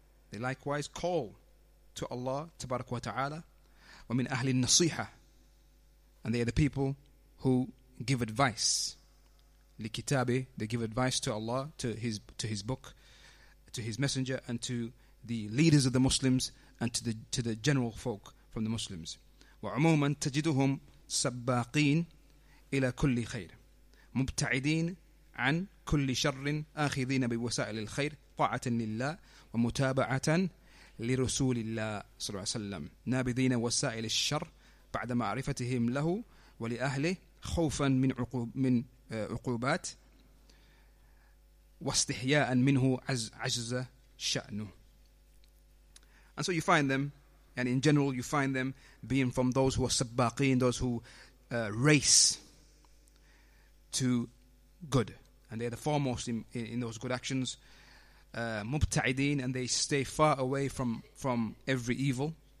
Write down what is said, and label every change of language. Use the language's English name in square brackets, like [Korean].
[English] They likewise call to Allah, tabarak wa ta'ala, [Arabic] wa min Ahl al-Nasiha. [English] And they are the people who give advice. لكتابي, they give advice to Allah, to his book, to his messenger, and to the leaders of the Muslims, and to the general folk from the Muslims. [Arabic] وعموما تجدهم سباقين إلى كل خير مبتعدين عن كل شر آخذين بوسائل الخير طاعة لله ومتابعة لرسول الله صلى الله عليه وسلم نابذين وسائل الشر بعد معرفتهم له ولأهله خوفا من عقوب من عقوبات واستحياء منه عجز شأنه. [English] And so you find them, and in general you find them being from those who are sabaqeen, those who race to good and they're the foremost in those good actions. Mubta'ideen, and they stay far away from every evil.